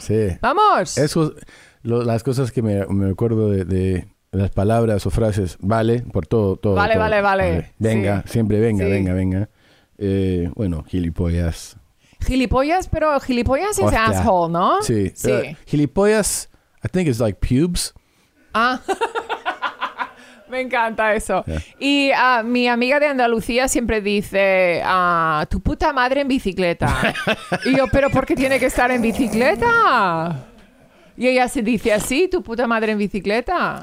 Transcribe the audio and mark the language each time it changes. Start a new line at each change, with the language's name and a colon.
Spanish: Sí. Vamos. Eso, las cosas que me acuerdo de las palabras o frases, vale, por todo. Vale, todo. Vale. Venga, sí. Siempre venga, sí. Venga. Bueno, gilipollas. Gilipollas, pero gilipollas es asshole, ¿no? Sí. Sí.
English: Gilipollas, I think it's like pubes.
Spanish: Ah. Me encanta eso. Yeah. Y mi amiga de Andalucía siempre dice, tu puta madre en bicicleta. Y yo, ¿pero por qué tiene que estar en bicicleta? Y ella se dice así, tu puta madre en bicicleta.